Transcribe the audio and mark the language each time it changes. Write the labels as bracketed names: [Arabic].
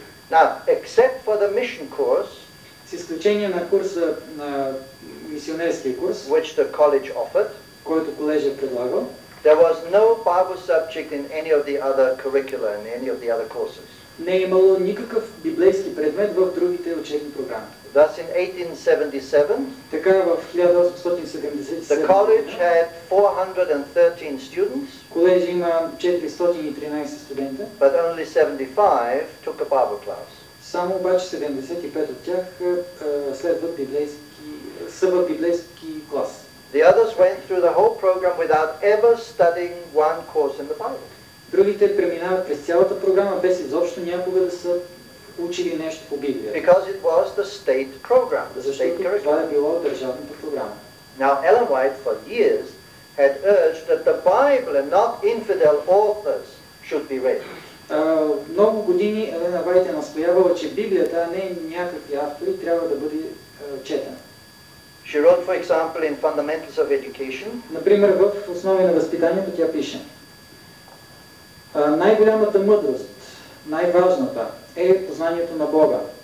[English] Now, except for the mission course, [Bulgarian] с изключение на курса, на мисионерския курс, [English] which the college offered, [Bulgarian] който колежът предлагал, [English] there was no Bible subject in any of the other curricula, in any of the other courses. [Bulgarian] Не е имало никакъв библейски предмет в другите учебни програми. [English] Thus in 1877, the college had 413 students, [Bulgarian] колежът има 413 студента, [English] but only 75 took a Bible class. [Bulgarian] Само обаче 75 от тях следват библейски, са в библейски клас. [English] The others went through the whole program without ever studying one course in the Bible. [Bulgarian] Другите преминават през цялата програма без изобщо някога да са учили нещо по Библия. [English] Because it was the state program, the state curriculum. [Bulgarian] Това е било държавната програма. [English] Now Ellen White for years had urged that the Bible and not infidel authors should be read. [Bulgarian] Много години Елена Вайт е настоявала, че Библията, а не някакви автори, трябва да бъде четена. [English] She wrote, for example, in Fundamentals of Education. [Bulgarian] Например, в Основи на възпитанието тя пише: най-голямата мъдрост, най-важната, е познанието на Бога.